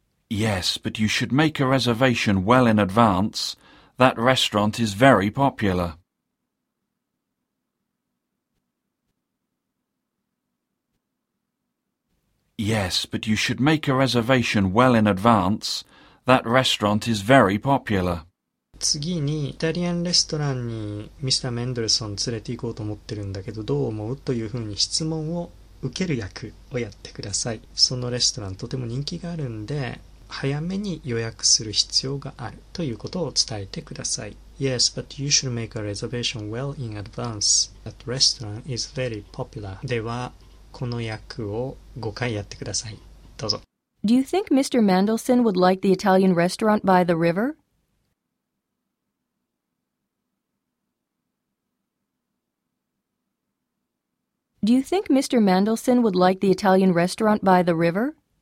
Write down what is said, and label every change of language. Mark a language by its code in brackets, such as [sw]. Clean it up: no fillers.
[en] Yes, but you should make a reservation well in advance. That restaurant is very popular. Yes, but you should make a reservation well in advance. That restaurant is very popular. [ja] 次にイタリアンレストランにミスター・メンデルソン連れて行こうと思ってるんだけどどう思うというふうに質問を受ける役をやってください。そのレストランとても人気があるんで早めに予約する必要があるということを伝えてください。 [en] Yes, but you should make a reservation well in advance. That restaurant is very popular. [ja] ではこの役を5回やってください。どうぞ。 [en] Do you think Mr. Mendelssohn would like the Italian restaurant by the river? Do you think Mr. Mendelssohn would like the Italian restaurant by the river?